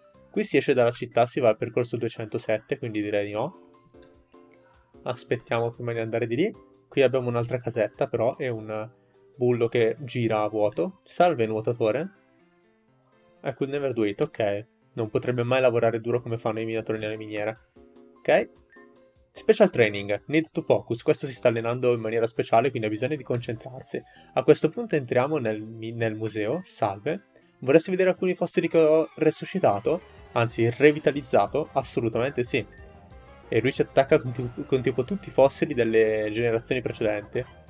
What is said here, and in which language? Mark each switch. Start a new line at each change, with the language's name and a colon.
Italian: Qui si esce dalla città, si va al percorso 207, quindi direi di no. Aspettiamo prima di andare di lì. Qui abbiamo un'altra casetta, però, e un bullo che gira a vuoto. Salve, nuotatore.
English: I could never do it, ok.
Italian: Non potrebbe mai lavorare duro come fanno i minatori nelle miniere. Ok.
English: Special training, needs to focus.
Italian: Questo si sta allenando in maniera speciale, quindi ha bisogno di concentrarsi. A questo punto entriamo nel museo. Salve. Vorresti vedere alcuni fossili che ho resuscitato? Anzi, revitalizzato? Assolutamente sì. E lui ci attacca con tipo tutti i fossili delle generazioni precedenti.